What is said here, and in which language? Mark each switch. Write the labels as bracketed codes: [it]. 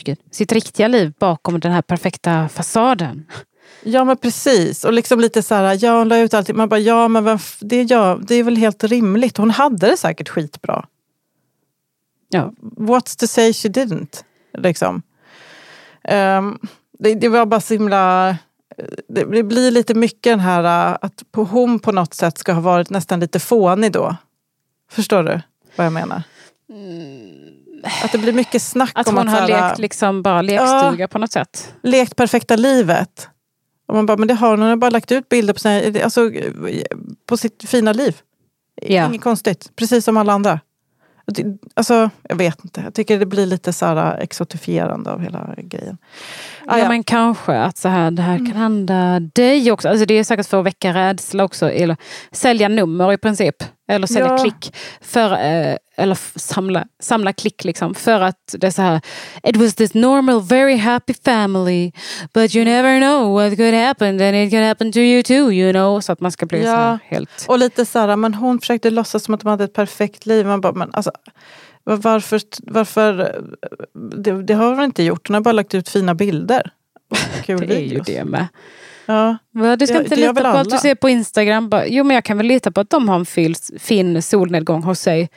[sv] sitt riktiga liv bakom den här perfekta fasaden. Ja, men precis. Och liksom lite så här, ja, hon la ut allting. Man bara, ja, men det är väl helt rimligt. Hon hade det säkert skitbra. Ja. [en] What's to say she didn't? [sv] Liksom. Det var bara så himla det blir lite mycket den här att hon på något sätt ska ha varit nästan lite fånig då. Förstår du vad jag menar? Att det blir mycket snack att om hon att hon har lekt liksom bara lekstuga, ja, på något sätt. Lekt perfekta livet. Och man bara, men det har hon bara lagt ut bilder på, sina, alltså, på sitt fina liv. Ja. Inget konstigt. Precis som alla andra. Alltså, jag vet inte. Jag tycker det blir lite så här exotifierande av hela grejen. Ja, men kanske att så här, det här kan hända dig också. Alltså det är säkert för att väcka rädsla också. Eller sälja nummer i princip. Eller sälja klick. För, eller samla klick liksom. För att det är så här, [en] it was this normal, very happy family. But you never know what could happen. And it could happen to you too, you know. [sv] Så att man ska bli så här helt... Och lite så här, men hon försökte låtsas som att de hade ett perfekt liv. Man bara, men alltså... Varför det har hon inte gjort. Hon har bara lagt ut fina bilder. Kul det videos. Är ju det med. Ja. Du ska inte lita på att du ser på Instagram. Jo, men jag kan väl lita på att de har en fin solnedgång hos sig.